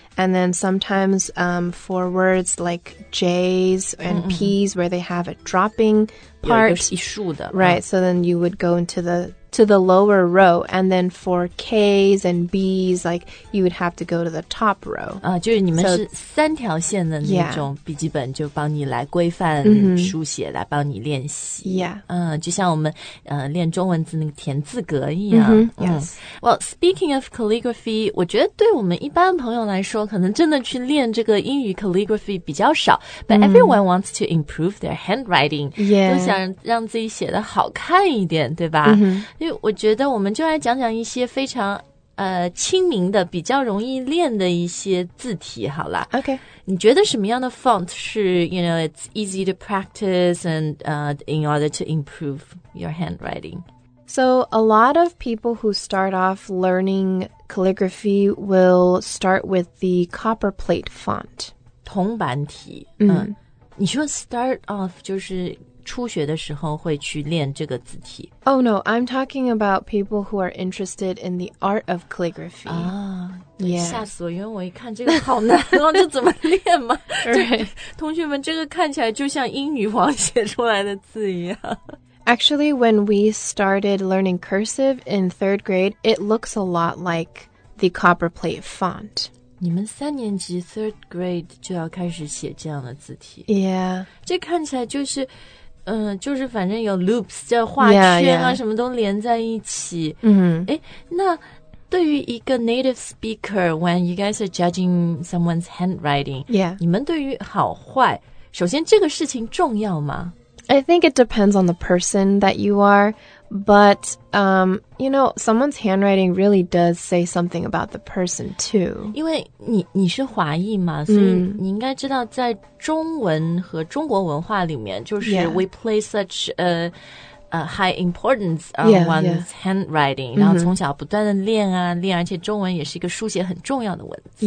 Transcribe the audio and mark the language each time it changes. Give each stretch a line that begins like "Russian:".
English: And then sometimes for words like J's and P's、mm-hmm. where they have a dropping part.
Chinese: 有一个一竖的。
English: Right,、mm. so then you would go into the lower row, and then for K's and B's, like, you would have to go to the top row.
Chinese: 啊、就是你们是三条线的那种笔记本就帮你来规范书写、 mm-hmm. 来帮你练习。
English: Yeah.、
Chinese: 就像我们、练中文字那个田字格一样。 Mm-hmm. 嗯、
English: yes. Well, speaking of calligraphy,
Chinese: 我觉得对我们一般朋友来说可能真的去练这个英语 calligraphy 比较少 but、mm-hmm.
English: everyone wants to improve their handwriting. Yeah.
Chinese: 都想让自己写得好看一点对吧、 mm-hmm. 因为我觉得我们就来讲讲一些非常亲民的比较容易练的一些字体好了
English: OK
Chinese: 你觉得什么样的
English: font 是 you know it's easy to practice and in order to improve your handwriting So a lot of people who start off learning calligraphy will start with the copper plate font
Chinese: 铜板体、 mm-hmm. 你说 start off 就是初学的时候会去练这个字体
English: Oh no, I'm talking about people who are interested in the art of calligraphy.
Chinese: 啊、oh, yeah. ，吓死我！因为我一看这个好难，然后就怎么练嘛？对，同学们，这个看起来就像英语王写出来的字一样。
English: Actually, when we started learning cursive in third grade, it looks a lot like the copperplate font.
Chinese: 你们三年级 third grade 就要开始写这样的字体
English: ，Yeah，
Chinese: 这看起来就是，就是反正有 loops 这画圈啊，
English: yeah, yeah.
Chinese: 什么都连在一起。嗯、mm-hmm. ，哎，那对于一个
English: native speaker， when you guys are judging someone's handwriting， Yeah，
Chinese: 你们对于好坏，首先这个事情重要吗
English: ？I think it depends on the person that you are。 But, you know, someone's handwriting really does say something about the person, too.
Chinese: 因为你是华裔嘛、mm. 所以你应该知道在中文和中国文化里面就是、
English: yeah. we play such a high importance on yeah, one's yeah.
Chinese: handwriting. 然后从小不断的练啊、mm-hmm. 练，而且中文也是一个书写很重要的文字。